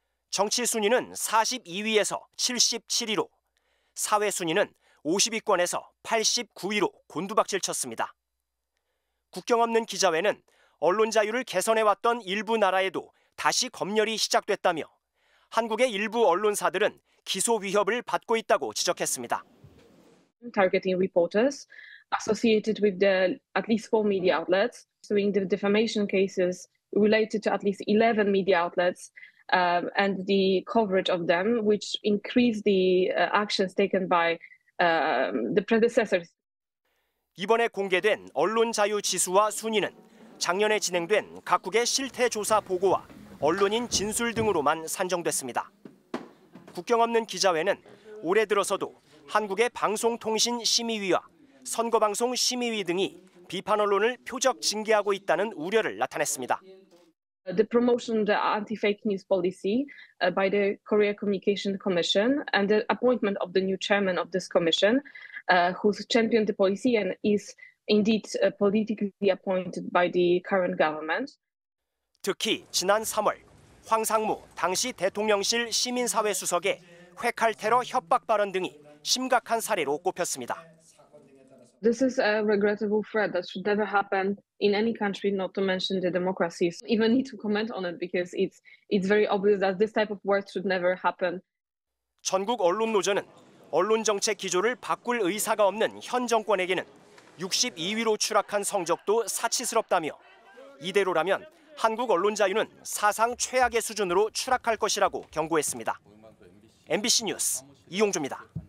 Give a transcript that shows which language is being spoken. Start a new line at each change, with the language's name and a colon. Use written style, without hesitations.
Korean: 정치 순위는 42위에서 77위로, 사회 순위는 50위권에서 89위로 곤두박질 쳤습니다. 국경 없는 기자회는 언론 자유를 개선해왔던 일부 나라에도 다시 검열이 시작됐다며 한국의 일부 언론사들은 기소 위협을 받고 있다고 지적했습니다.
English: Targeting reporters associated with the at least four media outlets, suing the defamation cases related to at least 11 media outlets and the coverage of them, which increased the actions taken by the predecessors.
Korean: 이번에 공개된 언론 자유 지수와 순위는 작년에 진행된 각국의 실태 조사 보고와 언론인 진술 등으로만 산정됐습니다. 국경 없는 기자회는 올해 들어서도 한국의 방송통신심의위와 선거방송심의위 등이 비판 언론을 표적 징계하고 있다는 우려를 나타냈습니다.
English: The promotion of the anti-fake news policy by the Korea Communication Commission and the appointment of the new chairman of this commission who's championed the policy and is indeed politically appointed by the current government.
Korean: 특히 지난 3월 황상무 당시 대통령실 시민사회 수석의 회칼 테러 협박 발언 등이 심각한 사례로 꼽혔습니다.
English: This is a regrettable threat that should never happen in any country, not to mention the democracies. Even need to comment on it because it's very obvious that this type of work should never happen.
Korean: 전국 언론 노조는 언론 정책 기조를 바꿀 의사가 없는 현 정권에게는 62위로 추락한 성적도 사치스럽다며 이대로라면 한국 언론 자유는 사상 최악의 수준으로 추락할 것이라고 경고했습니다. MBC 뉴스 이용주입니다.